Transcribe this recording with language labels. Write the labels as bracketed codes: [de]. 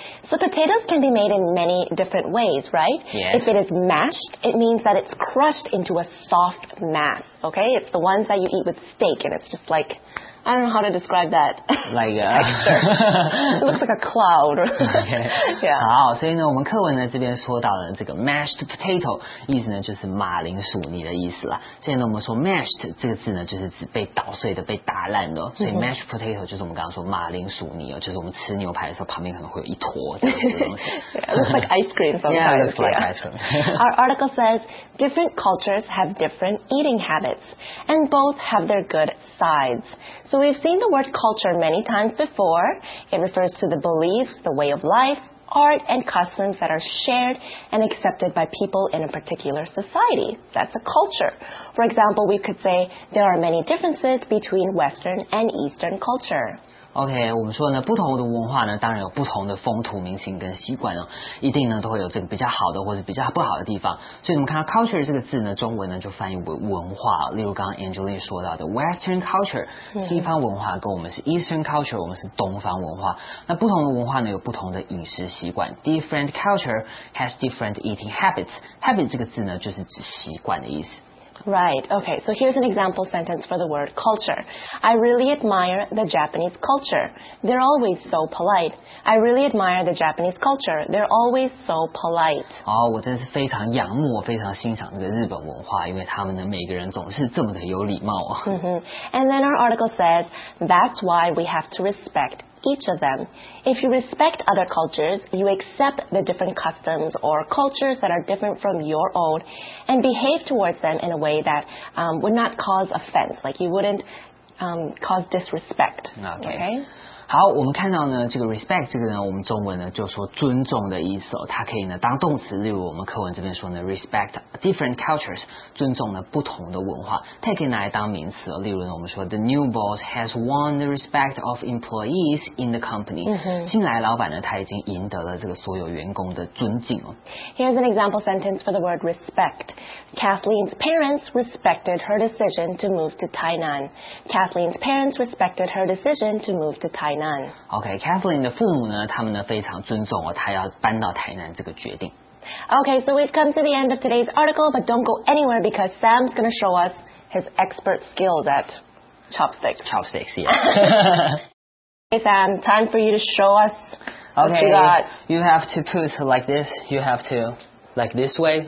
[en] So potatoes can be made in many different ways, right? Yes. If it is mashed, it means that it's crushed into a soft mass, okay? It's the ones that you eat with steak, and it's just like, I don't know how to describe that. Like a... it looks like a cloud. Okay. Yeah. [zh] 好，所以呢，我们课文呢这边说到了这个 mashed potato， 意思呢就是马铃薯泥的意思了。所以呢，我们说 mashed 这个字呢，就是指被捣碎的、被打烂的。所以 mashed potato 就是我们刚刚说马铃薯泥哦，就是我们吃牛排的时候旁边可能会有一坨这样子的东西。 [en] Yeah, looks like ice cream sometimes. Yeah, looks like ice cream. Our article says different cultures have different eating habits, and both have their good sides. So we've seen the word culture many times before. It refers to the beliefs, the way of life, art, and customs that are shared and accepted by people in a particular society. That's a culture. For example, we could say there are many differences between Western and Eastern culture. [zh] OK， 我们说呢，不同的文化呢，当然有不同的风土民情跟习惯哦，一定呢都会有这个比较好的或者比较不好的地方。所以我们看到 culture 这个字呢，中文呢就翻译为文化。例如刚刚 Angeline 说到的 Western culture， 西方文化跟我们是 Eastern culture， 我们是东方文化。那不同的文化呢，有不同的饮食习惯。 [en] Different culture has different eating habits。 [zh] Habit 这个字呢，就是指习惯的意思。 [en] Right, okay, so here's an example sentence for the word culture. I really admire the Japanese culture. They're always so polite. I really admire the Japanese culture. They're always so polite. [zh] 哦，我真是非常仰慕，非常欣赏这个日本文化，因为他们的每个人总是这么的有礼貌啊。 [en] And then our article says, that's why we have to respect each of them. If you respect other cultures, you accept the different customs or cultures that are different from your own and behave towards them in a way that would not cause offense, like you wouldn't cause disrespect. Okay. [zh] 好，我们看到呢，这个 respect 这个呢，我们中文呢就说尊重的意思哦，它可以呢当动词，例如我们课文这边说呢 [en] respect different cultures， [zh] 尊重呢不同的文化，它也可以拿来当名词哦，例如呢我们说 [en] the new boss has won the respect of employees in the company， [zh] 新来老板呢他已经赢得了这个所有员工的尊敬哦。 [en] Here's an example sentence for the word respect. Kathleen's parents respected her decision to move to Tainan. Kathleen's parents respected her decision to move to Tainan. [zh] Okay, Kathleen 的父母呢，他们呢非常尊重哦，他要搬到台南这个决定。 [en] Okay, so we've come to the end of today's article, but don't go anywhere because Sam's going to show us his expert skills at chopsticks. Chopsticks, yeah. Hey Sam, time for you to show us okay, what you got. You have to put like this. You have to like this way.